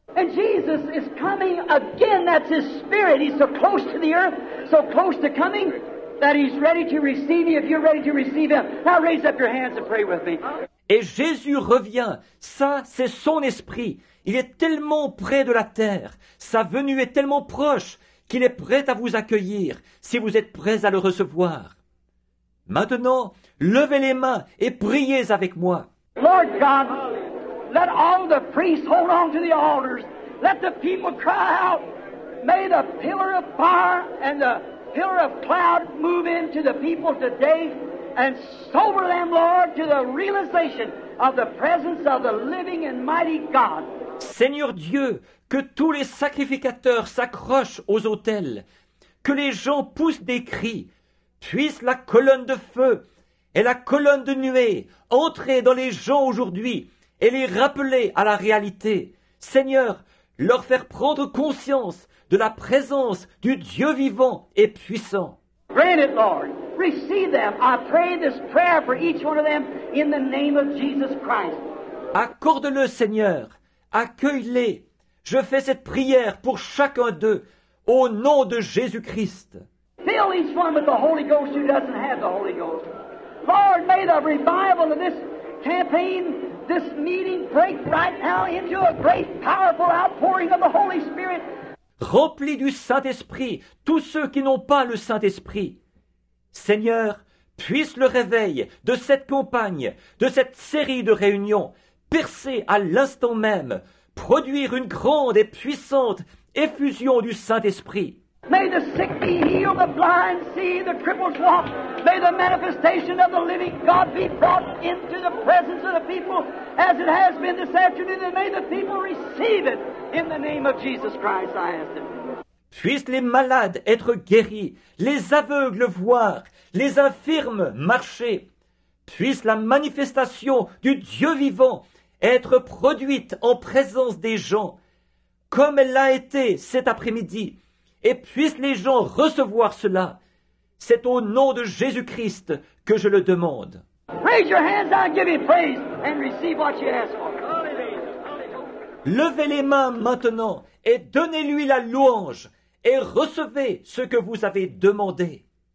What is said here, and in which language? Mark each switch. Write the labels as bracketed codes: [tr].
[en] And Jesus is coming again, that's his spirit. He's so close to the earth, so close to coming, that he's ready to receive you if you're ready to receive him. Now raise up your hands and pray with me. [fr] Et Jésus revient. Ça, c'est son esprit. Il est tellement près de la terre. Sa venue est tellement proche qu'il est prêt à vous accueillir si vous êtes prêts à le recevoir. Maintenant, levez les mains et priez avec moi. [en] Lord God, let all the priests hold on to the altars. Let the people cry out. May the pillar of fire and the pillar of cloud move into the people today and sober them, Lord, to the realization of the presence of the living and mighty God. [fr] Seigneur Dieu, que tous les sacrificateurs s'accrochent aux autels, que les gens poussent des cris. Puisse la colonne de feu et la colonne de nuée entrer dans les gens aujourd'hui et les rappeler à la réalité. Seigneur, leur faire prendre conscience de la présence du Dieu vivant et puissant. [en] Grant it, Lord. Receive them. I pray this prayer for each one of them in the name of Jesus Christ. [fr] Accorde-le, Seigneur. Accueille-les. Je fais cette prière pour chacun d'eux au nom de Jésus-Christ. [en] Fill each one with the Holy Ghost who doesn't have the Holy Ghost. Lord, may the revival of this campaign, this meeting, break right now into a great, powerful outpouring of the Holy Spirit. [fr] Remplis du Saint-Esprit tous ceux qui n'ont pas le Saint-Esprit. Seigneur, puisse le réveil de cette campagne, de cette série de réunions, percer à l'instant même, produire une grande et puissante effusion du Saint-Esprit. [en] May the sick be healed, the blind see, the crippled walk. May the manifestation of the living God be brought into the presence of the people as it has been this afternoon, and may the people receive it in the name of Jesus Christ, I ask it. [fr] Puissent les malades être guéris, les aveugles voir, les infirmes marcher. Puisse la manifestation du Dieu vivant être produite en présence des gens, comme elle l'a été cet après-midi. Et puissent les gens recevoir cela. C'est au nom de Jésus-Christ que je le demande. [en] Raise your hands and give me praise and receive what you ask for. [fr] Levez les mains maintenant et donnez-lui la louange et recevez ce que vous avez demandé.